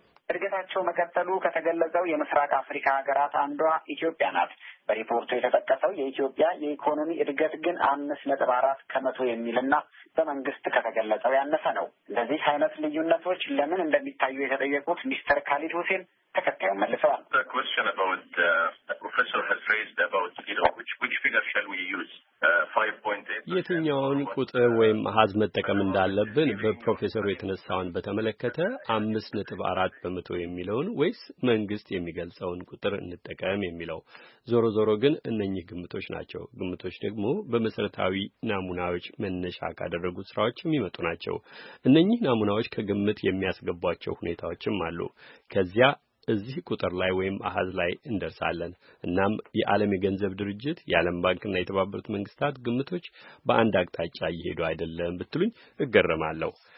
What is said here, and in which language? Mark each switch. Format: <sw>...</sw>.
<am>እድገታቸው መከተሉ ከተገለጸው የምስራቅ አፍሪካ ሀገራት አንዷ ኢትዮጵያ ናት። በሪፖርቱ የተጠቀሰው የኢትዮጵያ የኢኮኖሚ እድገት ግን 5.4% የሚልና በመንግስት ከተገለጸው ያነሰ ነው። እነዚህ አይነት ልዩነቶች ለምን እንደሚታዩ የተጠየቁት ሚስተር ካሊድ ሁሴን ተከታዩን መልሰዋል።</am> <en>The question about the professor has raised about, you know, which figure shall we use?</en> <am>የትኛውን ቁጥር ወይም አሃዝ መጠቀም እንዳለብን በፕሮፌሰሩ የተነሳውን በተመለከተ 5.4% የሚለውን ወይስ መንግስት የሚገልጸውን ቁጥር እንጠቀም የሚለው? ዞሮ ዞሮ ግን እነኚህ ግምቶች ናቸው። ግምቶች ደግሞ በመሰረታዊ ናሙናዎች መነሻ ካደረጉት ስራዎች የሚመጡ ናቸው። እነኚህ ናሙናዎች ከግምት የሚያስገቧቸው ሁኔታዎችም አሉ። ከዚያ እዚህ ቁጥር ላይ ወይም አሃዝ ላይ እንደርሳለን። እናም የዓለም የገንዘብ ድርጅት፣ የዓለም ባንክ እና የተባበሩት መንግስታት ግምቶች በአንድ አቅጣጫ እየሄዱ አይደለም ብትሉኝ እገረማለሁ።</am>